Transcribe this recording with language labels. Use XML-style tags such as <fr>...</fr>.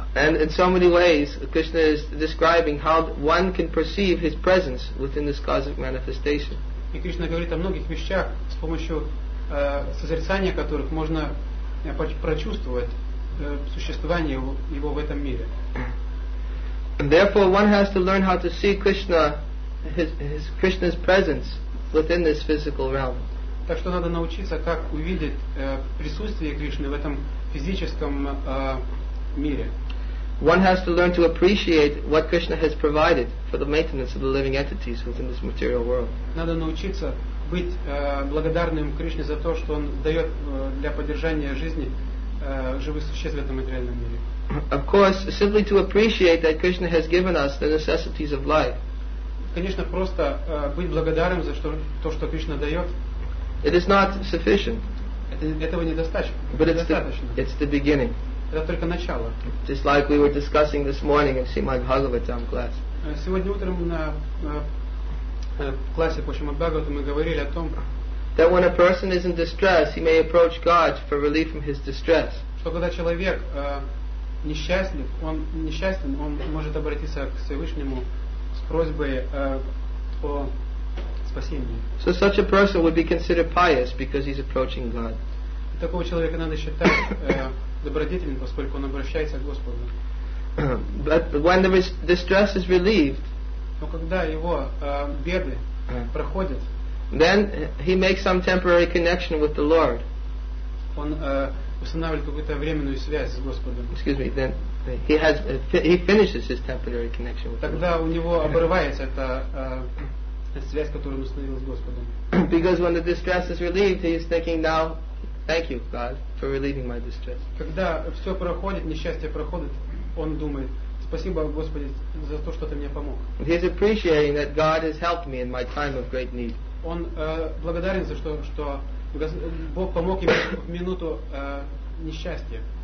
<en>And in so many ways, Krishna is describing how one can perceive his presence within this cosmic manifestation.</en> <ru>И Кришна говорит о многих вещах, с помощью созерцания которых можно прочувствовать существование его в этом мире.</ru> <en>And therefore, one has to learn how to see Krishna. Krishna's presence within this physical realm.</en> <ru>Так что надо научиться, как увидеть присутствие Кришны в этом физическом мире.</ru> <en>One has to learn to appreciate what Krishna has provided for the maintenance of the living entities within this material world.</en> <ru>Надо научиться быть благодарным Кришне за то, что он дает для поддержания жизни живых существ в этом материальном мире.</ru> <en>Of course, simply to appreciate that Krishna has given us the necessities of life.</en> <ru>Конечно, просто быть благодарным за то, что Кришна дает.</ru> <en>It is not sufficient.</en> <ru>Этого недостаточно.</ru> <en>But it's the beginning.</en> <ru>Это только начало.</ru> <en>Just like we were discussing this morning in Srimad Bhagavatam class.</en> <ru>Сегодня утром на классе по Шримад Бхагаватам мы говорили о том,</ru> <en>that when a person is in distress, he may approach God for relief from his distress.</en> <ru>Что когда человек несчастен, он может обратиться к Всевышнему с просьбой о спасении.</ru> <en>So such a person would be considered pious because he's approaching God.</en> <ru>Такого человека надо считать добродетельным, поскольку он обращается к Господу.</ru> <en>But when the distress is relieved,</en> <ru>но когда его беды проходят,</ru> <en>then he makes some temporary connection with the Lord.</en> <ru>Он устанавливает какую-то временную связь с Господом.</ru> <en>Excuse me, then he finishes his temporary connection with</en> <ru>Тогда</ru> <en>the Lord.</en> <ru>У него обрывается эта связь, которую он установил с Господом.</ru> <en>Because when the distress is relieved, he is thinking now, thank you, God, for relieving my distress.</en> <ru>Когда все проходит, несчастье проходит, он думает, спасибо, Господи, за то, что ты мне помог.</ru> <en>He is appreciating that God has helped me in my time of great need.</en> <ru>Он благодарен за то, что Бог помог ему в минуту несчастья.</ru>